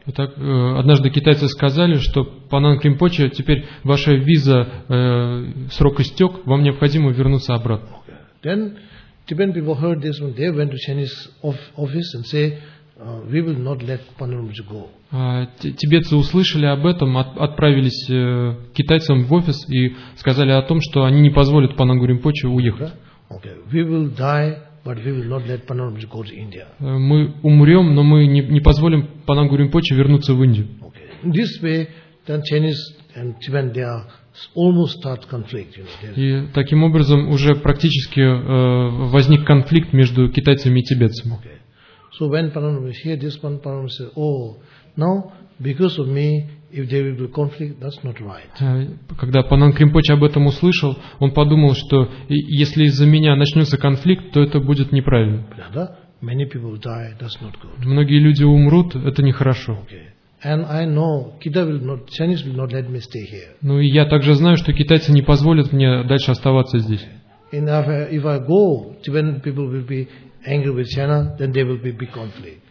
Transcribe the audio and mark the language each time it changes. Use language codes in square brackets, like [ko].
[ru] Итак, однажды китайцы сказали, что Пананг Ринпоче, теперь ваша виза, срок истек, вам необходимо вернуться обратно. [en] Okay. Then, Tibetan people heard this when they went to Chinese office and say, we will not let Panang Ринпоче go. [ru] Тибетцы услышали об этом, отправились к китайцам в офис и сказали о том, что они не позволят Панангу Ринпоче уехать. [en] Okay. We will die. But we will not let Pananga go to India. [ru] Мы умрем, но мы не позволим Пананг Ринпоче вернуться в Индию. [en] Okay. In this way, then Chinese and Tibetan they are almost start conflict. You know. [ru] И таким образом уже практически возник конфликт между китайцами и тибетцами. [en] Okay. So when Pananga hear this one, Pananga says, "Oh, now because of me." If there will be conflict, that's not right. [ru] Когда Пананг Ринпоче об этом услышал, он подумал, что если из-за меня начнется конфликт, то это будет неправильно. Да? [en] Many people die, that's not good. [ru] Многие люди умрут, это нехорошо. [en] Okay. And I know Kida will not, Chinese will not let me stay here. [ru] Ну и я также знаю, что китайцы не позволят мне дальше оставаться здесь. [en] And if I go, Tibetan people will be angry with China, then there will be big conflict.